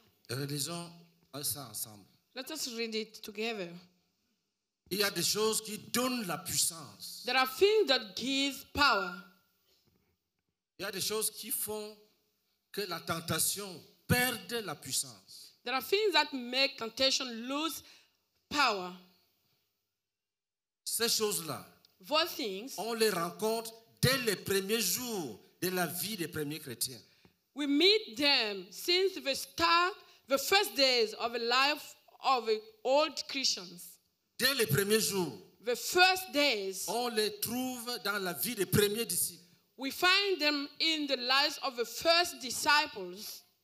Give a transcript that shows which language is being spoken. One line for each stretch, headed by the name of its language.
French: Relisons ça ensemble.
English: Let us read it together.
French: Il y a des choses qui donnent la puissance.
English: There are things that give power.
French: Il y a des choses qui font que la tentation perde la puissance.
English: There are things that make temptation lose power.
French: Ces choses-là,
English: those things,
French: on les rencontre dès les premiers jours de la vie des premiers chrétiens.
English: We meet them since the start, the first days of the life of the old Christians.
French: Dès les premiers jours,
English: the first days,
French: on les trouve dans la vie des premiers disciples.
English: We find them in the lives of the first disciples.